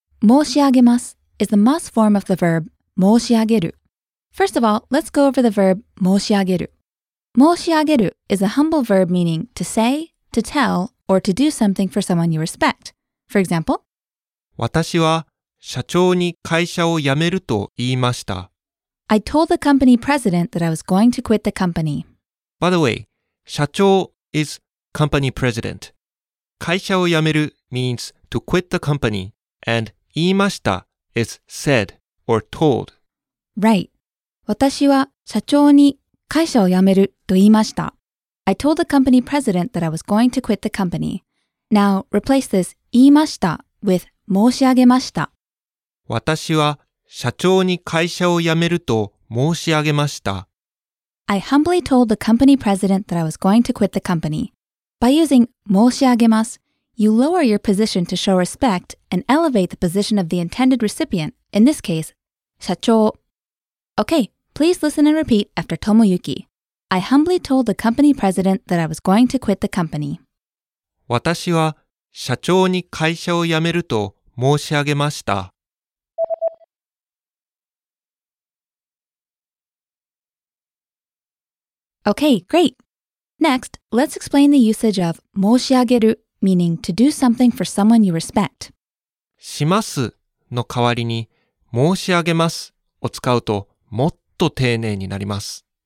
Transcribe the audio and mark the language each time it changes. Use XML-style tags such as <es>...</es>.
<en>申し上げます is the must form of the verb申し上げる First of all, let's go over the verb 申し上げる申し上げる is a humble verb meaning to say, to tell, or to do something for someone you respect. For example,</en> <ja>私は社長に会社を辞めると言いました。</ja> <en>I told the company president that I was going to quit the company. By the way, 社長 is company president. 会社を辞める means to quit the company, and 言いました is said or told. Right.</en> <ja>私は社長に会社を辞めると言いました。</ja> <en>I told the company president that I was going to quit the company. Now, replace this 言いました with 申し上げました。</en> <ja>私は社長に会社を辞めると申し上げました。</ja> <en>I humbly told the company president that I was going to quit the company. By using 申し上げます, you lower your position to show respect and elevate the position of the intended recipient, in this case, 社長。 Okay, please listen and repeat after Tomoyuki. I humbly told the company president that I was going to quit the company.</en> <ja>私は社長に会社を辞めると申し上げました。</ja> <en>Okay, great. Next, let's explain the usage of 申し上げる, meaning to do something for someone you respect.</en> <ja>しますの代わりに申し上げますを使うともっと丁寧になります。</ja>